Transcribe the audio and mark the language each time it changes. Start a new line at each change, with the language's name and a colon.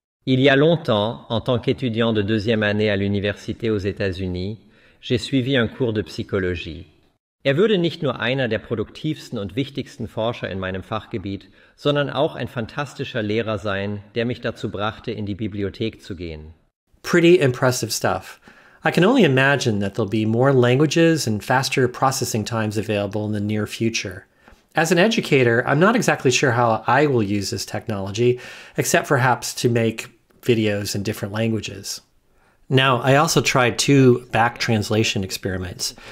French: Il y a longtemps, en tant qu'étudiant de deuxième année à l'université aux États-Unis, j'ai suivi un cours de psychologie.
German: Würde nicht nur einer der produktivsten und wichtigsten Forscher in meinem Fachgebiet, sondern auch ein fantastischer Lehrer sein, der mich dazu brachte, in die Bibliothek zu gehen.
English: Pretty impressive stuff. I can only imagine that there'll be more languages and faster processing times available in the near future. As an educator, I'm not exactly sure how I will use this technology, except perhaps to make videos in different languages. Now, I also tried 2 back translation experiments.